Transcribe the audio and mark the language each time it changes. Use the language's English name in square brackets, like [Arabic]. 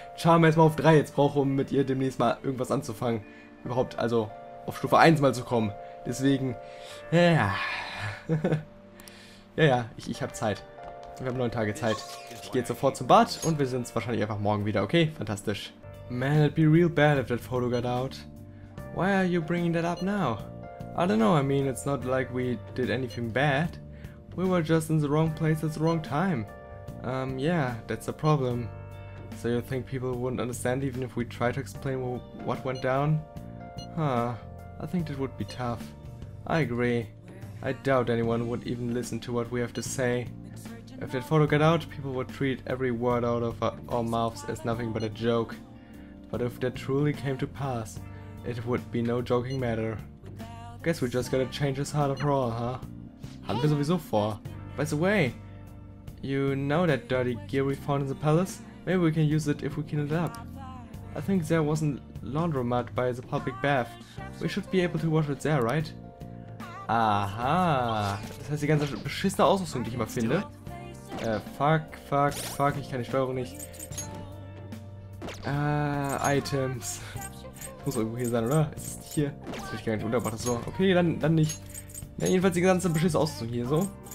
[German] Charme erstmal auf 3 jetzt brauche, um mit ihr demnächst mal irgendwas anzufangen. Überhaupt, also auf Stufe 1 mal zu kommen. Deswegen, ja. Ja, ich habe Zeit. Wir haben 9 Tage Zeit. Ich gehe jetzt sofort zum Bad und wir sehen uns wahrscheinlich einfach morgen wieder, okay? Fantastisch. [English] Man, it'd be real bad if that photo got out. Why are you bringing that up now? I don't know, I mean, it's not like we did anything bad. We were just in the wrong place at the wrong time. Yeah, that's the problem. So you think people wouldn't understand even if we try to explain what went down? Huh, I think that would be tough. I agree. I doubt anyone would even listen to what we have to say. If that photo got out, people would treat every word out of our mouths as nothing but a joke. But if that truly came to pass, it would be no joking matter. Guess we just gotta change his heart after all, huh? [German] Haben wir sowieso vor. [English] By the way, you know that dirty gear we found in the palace? Maybe we can use it if we clean it up. I think there wasn't laundromat by the public bath. We should be able to wash it there, right? Aha. [German] Das heißt, die ganze beschissene Ausrüstung, die ich immer finde. Fuck, ich kann die Steuerung nicht. Items. Muss irgendwo hier sein, oder? Ist es hier? Das will ich gar nicht runter, aber das so. Okay, dann nicht. Ja, jedenfalls die ganze beschissene Ausrüstung hier so.